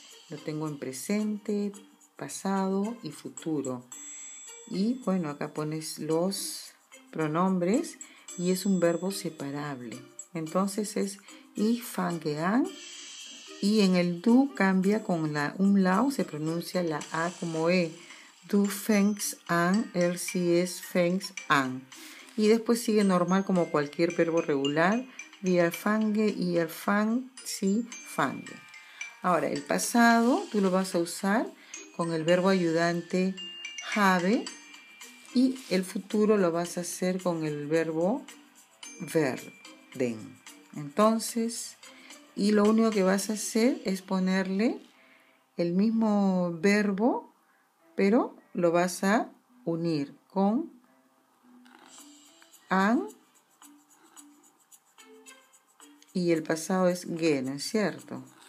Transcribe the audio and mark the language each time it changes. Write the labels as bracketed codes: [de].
[es] Lo tengo en presente, pasado y futuro. Y bueno, acá pones los pronombres y es un verbo separable. Entonces es [de] ich fange an [es] y en el du cambia con la umlaut, se pronuncia la A como E. [de] Du fängst an, er sie es fängst an. [es] Y después sigue normal como cualquier verbo regular. [de] Wir fangen, ihr fangt, sie fangen. [es] Ahora, el pasado tú lo vas a usar con el verbo ayudante habe. Y el futuro lo vas a hacer con el verbo werden. Entonces, y lo único que vas a hacer es ponerle el mismo verbo, pero lo vas a unir con an y el pasado es gehen, ¿es cierto?